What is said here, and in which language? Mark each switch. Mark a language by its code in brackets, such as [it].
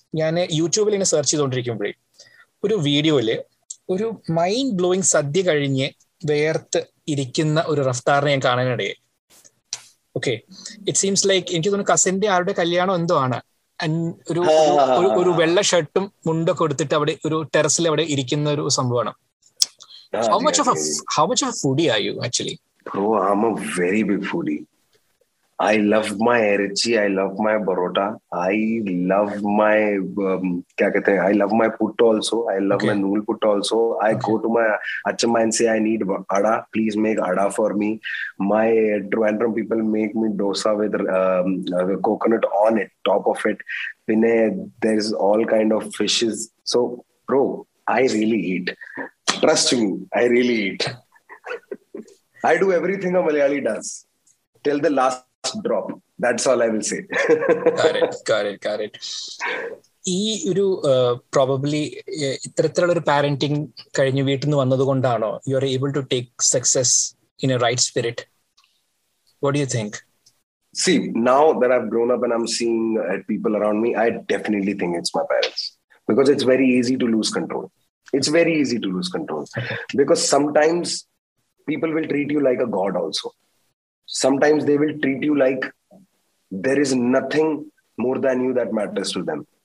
[ml] ഞാൻ യൂട്യൂബിൽ ഇങ്ങനെ സെർച്ച് ചെയ്തുകൊണ്ടിരിക്കുമ്പോഴേ ഒരു വീഡിയോയില് ഒരു മൈൻഡ് ബ്ലോയിങ് സദ്യ കഴിഞ്ഞ് വേർത്ത് ഇരിക്കുന്ന ഒരു റഫ്താറിനെ ഞാൻ കാണാനിടയെ. [en] okay, it seems like [ml] എനിക്ക് തോന്നുന്നു കസിന്റെ ആരുടെ കല്യാണം എന്തോ ആണ്. ഒരു ഒരു വെള്ള ഷർട്ടും മുണ്ടും കൊടുത്തിട്ട് അവിടെ ഒരു ടെറസിൽ അവിടെ ഇരിക്കുന്ന ഒരു സംഭവമാണ്. [en] How much of a foodie are you actually? Bro, I'm a very big foodie. I love my erichi, I love my parotta, I love my [hi] kya kehte hai, [en] I love my puttu also, I love okay. my noodle puttu also. I okay. go to my achamma and say I need ada, please make ada for me. My Trivandrum people make me dosa with coconut on it, top of it. Pine, there is all kind of fishes. So bro, I really eat. Trust me, I really eat. I do everything a Malayali does till the last drop. That's all I will say. got it. [ml] ഈ ഒരു probably ഇത്തരത്തിലുള്ള ഒരു parenting കഴിഞ്ഞ് വീട്ടിൽ നിന്ന് വന്നതുകൊണ്ടാണോ [en] You are able to take success in a right spirit? What do you think? See, now that I've grown up and I'm seeing people around me, I definitely think it's my parents. Because it's very easy to lose control. It's very easy to lose control. Because sometimes people will treat you like a god also. Sometimes they will treat you like there is nothing more than you that matters to them.